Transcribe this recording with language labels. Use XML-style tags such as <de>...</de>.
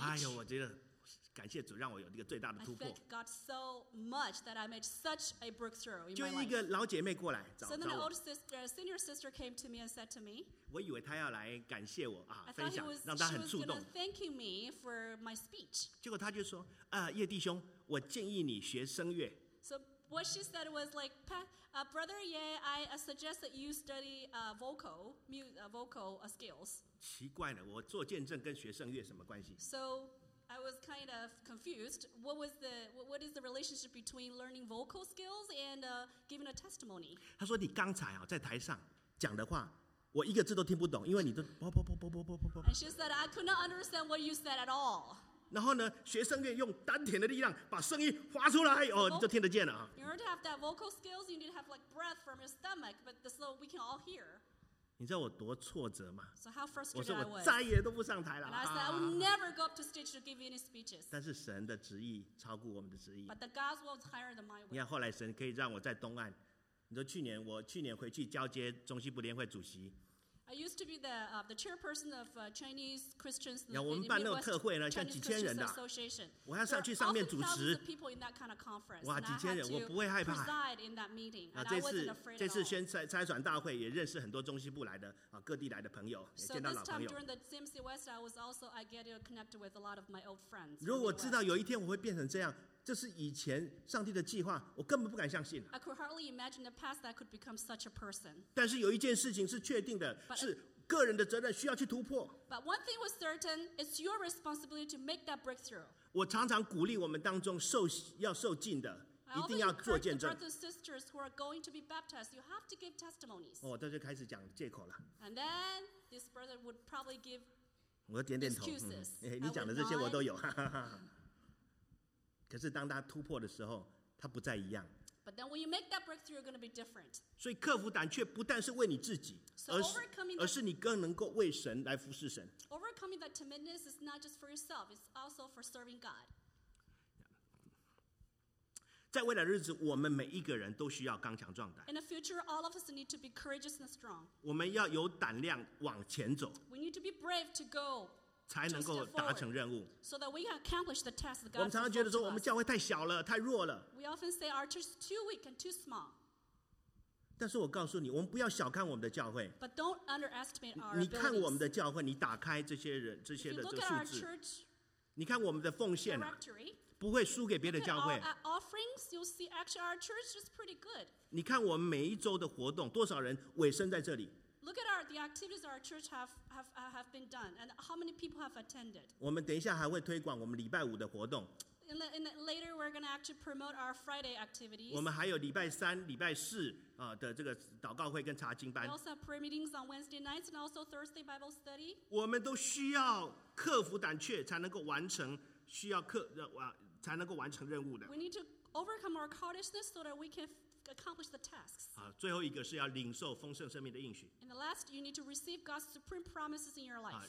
<zh>哎呦，我觉得感谢主让我有一个最大的突破。</zh> <en>I thank God so much that I made such a breakthrough in my life.</en> <zh>就一个老姐妹过来找我。</zh> <en>So then an old sister, a senior sister came to me and said to me.</en> <zh>我以为她要来感谢我啊，分享，</zh> <en>I thought</en> <zh>让她很触动。</zh> <en>She was thanking me for my speech.</en> <zh>结果她就说，叶弟兄，我建议你学声乐。</zh> <en>So what she said was like, Brother Ye, I suggest that you study vocal skills.</en> <zh>奇怪了，我做见证跟学声乐什么关系？</zh> <en>So I was kind of confused. What is the relationship between learning vocal skills and giving a testimony?</en> <zh>他说你刚才啊在台上讲的话，我一个字都听不懂，因为你都啵啵啵啵啵啵啵啵。</zh> <en>And she said I could not understand what you said at all.</en> <zh>然后呢，学声乐用丹田的力量把声音发出来，哦，你就听得见了啊。</zh> <en>You need to have that vocal skills. You need to have like breath from your stomach, but so we can all hear.</en> <zh>你知道我多挫折吗</zh> <en>？So how frustrated I</en> <zh>was. 我说我再也都不上台了。</zh> <en>And I said I will never go up to stage to give any speeches.</en> <zh>但是神的旨意超过我们的旨意。</zh> <en>But the God's will is higher than my will.</en> <zh>你看后来神可以让我在东岸。你说去年回去交接中西部联会主席。</zh> <en>I used to be the chairperson of Chinese Christians.</en> <zh>然后我们办那个特会呢，像几千人的。我要上去上面主持。</zh> <en>There are thousands of people in that kind of conference.</en> <zh>哇，几千人，我不会害怕。</zh> <en>Preside in that meeting.</en> <zh>啊，这次宣差传大会也认识很多中西部来的啊，各地来的朋友，也见到老朋友。</zh> <en>So this time during the CMC West, I was also I get to connect with a lot of my old friends.</en> <zh>如果我知道有一天我会变成这样，这是以前上帝的计划，我根本不敢相信。</zh> <en>I could hardly imagine the past that I could become such a person.</en> <zh>但是有一件事情是确定的，是个人的责任需要去突破。</zh> <en>But one thing was certain, it's your responsibility to make that breakthrough.</en> <zh>我常常鼓励我们当中受浸的，一定要做见证。</zh> <en>I often encourage the brothers and sisters who are going to be baptized, you have to give testimonies.</en> <zh>哦，他就开始讲借口了。</zh> <en>And then this brother would probably give excuses.</en> <zh>我点点头，你讲的这些我都有。可是当他突破的时候，他不再一样。</zh> <en>But then when you make that breakthrough, you're going to be different.</en> <zh>所以克服胆怯不但是为你自己，而是你更能够为神来服侍神。</zh> <en>Overcoming that timidness is not just for yourself; it's also for serving God.</en> <zh>在未来日子，我们每一个人都需要刚强壮胆。</zh> <en>In the future, all of us need to be courageous and strong.</en> <zh>我们要有胆量往前走。</zh> <en>We need to be brave to go</en> <zh>才能够达成任务。</zh> <en>So that we can accomplish the task that God.</en> <zh>我们常常觉得说我们教会太小了，太弱了。</zh> <en>We often say our church is too weak and too small.</en> <zh>但是我告诉你，我们不要小看我们的教会。</zh> <en>But don't underestimate our.</en> <zh>你看我们的教会，你打开这些人这些的这个数字。你看我们的奉献、啊，不会输给别的教会。</zh> <en>Offerings, you'll see actually our church is pretty good.</en> <zh>你看我们每一周的活动，多少人委身在这里？</zh> <en>Look at the activities our church have been done, and how many people have attended.</en> <zh>我们等一下还会推广我们礼拜五的活动。</zh> <en>Later, we're going to actually promote our Friday activities.</en> <zh>我们还有礼拜三、礼拜四的这个祷告会跟查经班。</zh> <en>We also have prayer meetings on Wednesday nights and also Thursday Bible study.</en> <zh>我们都需要克服胆怯才能够完成需要克才能够完成任务的。</zh> <en>We need to overcome our cowardice so that we can. Accomplish the tasks.</en> <zh>最后一个是要领受丰盛生命的应许。</zh> <en>And the last, you need to receive God's supreme promises in your life.</en>